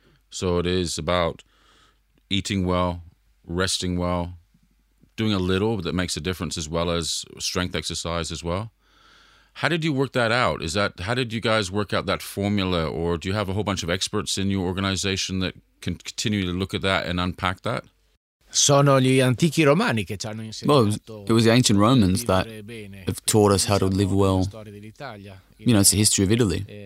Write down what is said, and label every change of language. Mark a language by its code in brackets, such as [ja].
[en] So it is about eating well, resting well, doing a little that makes a difference, as well as strength exercise as well. How did you work that out? How did you guys work out that formula, or do you have a whole bunch of experts in your organization that can continue to look at that and unpack that? [it] Sono gli antichi romani che ci hanno insegnato. [en] Well, it was the ancient Romans that have taught us how to live well. You know, it's the history of Italy.